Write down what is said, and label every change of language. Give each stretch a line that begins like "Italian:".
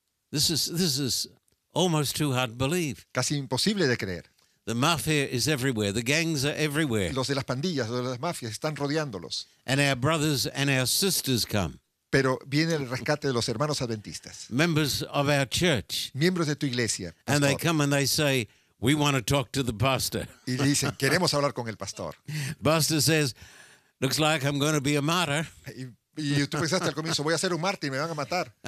English: This is almost too hard to believe.
Spanish: Casi imposible de creer.
English: The mafia is everywhere. The gangs are everywhere.
Spanish: Los de las pandillas, los de las mafias, están rodeándolos.
English: And our brothers and our sisters come.
Spanish: Pero viene el rescate de los hermanos adventistas.
English: Members of our church.
Spanish: Miembros de tu iglesia. Pastor.
English: And they come and they say, "We want to talk to the pastor."
Spanish: Y dicen, queremos hablar con el pastor.
English: Pastor says, "Looks like I'm going to be a martyr."
Spanish: Y tú pensaste al comienzo, voy a ser un mártir, me van a matar.